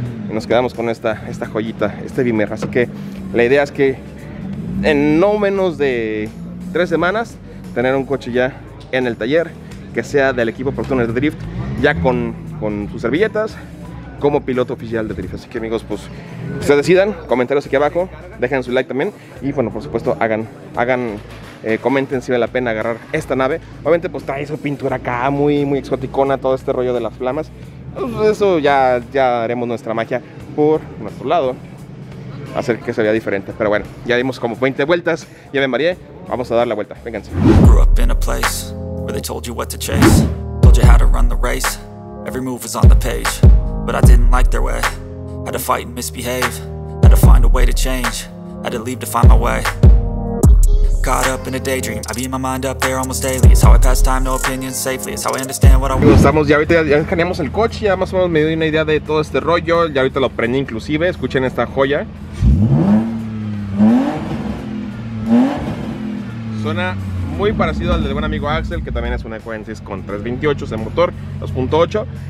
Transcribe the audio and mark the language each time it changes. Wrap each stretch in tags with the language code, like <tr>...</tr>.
<es>Y nos quedamos con esta joyita, este Bimer. Así que la idea es que en no menos de 3 semanas, tener un coche ya en el taller, que sea del equipo Protones de Drift, ya con sus servilletas, como piloto oficial de Drift. Así que amigos, pues ustedes decidan, comentarios aquí abajo, dejen su like también, y bueno, por supuesto, hagan comenten si vale la pena agarrar esta nave. Obviamente pues trae su pintura acá, muy, muy exoticona, todo este rollo de las flamas, pues eso ya haremos nuestra magia por nuestro lado, hacer que se vea diferente. Pero bueno, ya dimos como 20 vueltas, ya me mareé, vamos a dar la vuelta, vénganse.</es> <en>Grew up in a place where they told you what to chase, told you how to run the race, every move was on the page, but I didn't like their way, had to fight and misbehave, had to find a way to change, had to leave to find my way. Caught up in a daydream, I beat my mind up there almost daily, it's how I pass time, no opinions safely, it's how I understand what I want.</en> <es>Estamos ya ahorita, ya escaneamos el coche, ya más o menos me di una idea de todo este rollo, ya ahorita lo prendí inclusive, escuchen esta joya. Suena muy parecido al del buen amigo Axel, que también es una Ecuensis con 328, ese motor, 2.8.</es>